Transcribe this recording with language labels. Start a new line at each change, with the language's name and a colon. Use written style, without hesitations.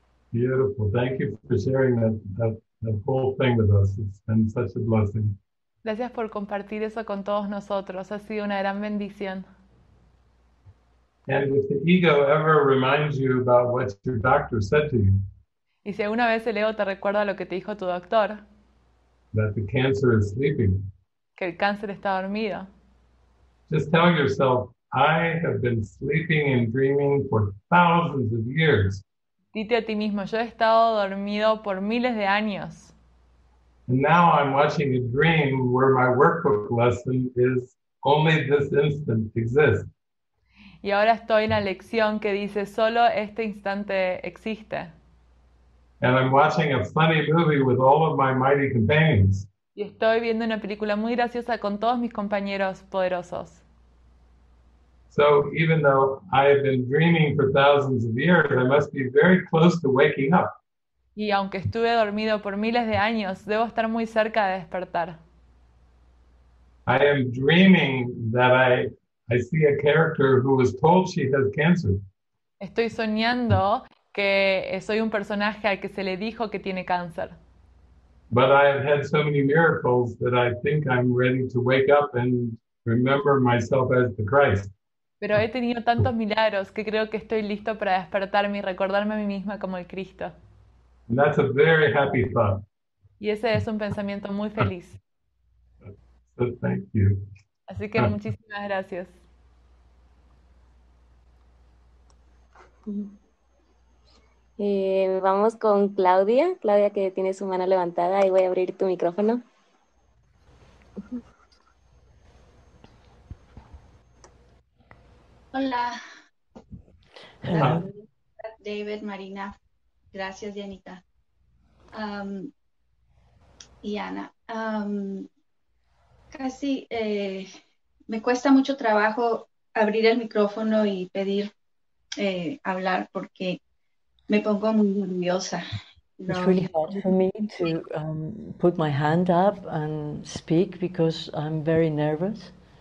English: Beautiful. Thank you for sharing that whole thing with us. It's been such a blessing.
Spanish: Gracias por compartir eso con todos nosotros. Ha sido una gran bendición.
English: And if the ego ever reminds you about what your doctor said to you,
Spanish: Y si alguna vez el ego te recuerda lo que te dijo tu doctor,
English: that the cancer is sleeping,
Spanish: que el cáncer está dormido,
English: just tell yourself, I have been sleeping and dreaming for thousands of years.
Spanish: dite a ti mismo, yo he estado dormido por miles de años.
English: And now I'm watching a dream where my workbook lesson is only this instant exists.
Spanish: Y ahora estoy en la lección que dice, solo este instante existe.
English: And I'm watching a funny movie with all of my mighty companions.
Spanish: Y estoy viendo una película muy graciosa con todos mis compañeros poderosos.
English: So even though I've been dreaming for thousands of years, I must be very close to waking up.
Spanish: Y aunque estuve dormido por miles de años, debo estar muy cerca de despertar.
English: I am dreaming that I see a character who was told she has cancer.
Spanish: Estoy soñando que soy un personaje al que se le dijo que tiene cáncer.
English: But I have had so many miracles that I think I'm ready to wake up and remember myself as the Christ.
Spanish: Pero he tenido tantos milagros que creo que estoy listo para despertarme y recordarme a mí misma como el Cristo.
English: And that's a very happy thought.
Spanish: Y ese es un pensamiento muy feliz.
English: So thank you.
Spanish: Así que muchísimas gracias. Vamos con Claudia. Claudia, que tiene su mano levantada, y voy a abrir tu micrófono. Hola. Hola. David, Marina. Gracias, Dianita. Y Ana. Casi me cuesta mucho trabajo abrir el micrófono y pedir hablar porque me pongo muy nerviosa.
English: It's really hard for me to put my hand up and speak because I'm very nervous.